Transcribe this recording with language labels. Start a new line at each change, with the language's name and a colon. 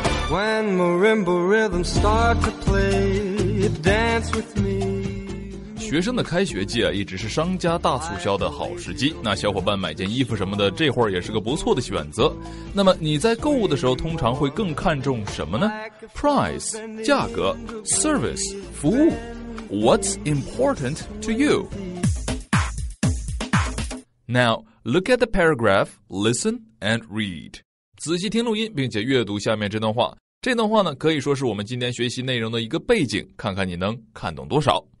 English: When marimba rhythms start to play, dance with me.
Chinese: 学生的开学季啊，一直是商家大促销的好时机。那小伙伴买件衣服什么的，这会儿也是个不错的选择。那么你在购物的时候，通常会更看重什么呢 ？Price， 价格 ；Service， 服务。
English: What's important to you？ Now look at the paragraph, listen and read.
Chinese: 仔细听录音，并且阅读下面这段话。这段话呢，可以说是我们今天学习内容的一个背景，看看你能看懂多少。